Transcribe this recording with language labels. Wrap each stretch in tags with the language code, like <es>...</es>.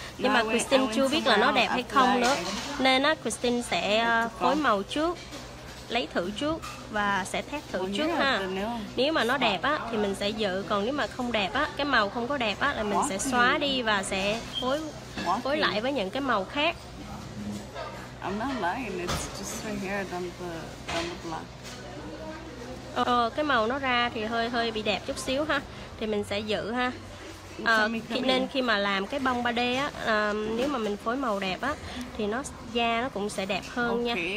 <vi>Nhưng mà Christine chưa biết là nó đẹp hay không nữa. Nên Christine sẽ phối màu trước, lấy thử trước và sẽ test thử trước ha. Nếu mà nó đẹp á thì mình sẽ giữ, còn nếu mà không đẹp á, cái màu không có đẹp á là mình sẽ xóa đi và sẽ phối lại với những cái màu khác.</vi> <en>I'm not lying, it's just right here down the block.</en> <vi>Cái màu nó ra thì hơi bị đẹp chút xíu ha. Thì mình sẽ giữ ha. Nên khi mà làm cái bông 3D á, nếu mà mình phối màu đẹp á thì nó da nó cũng sẽ đẹp hơn nha.</vi>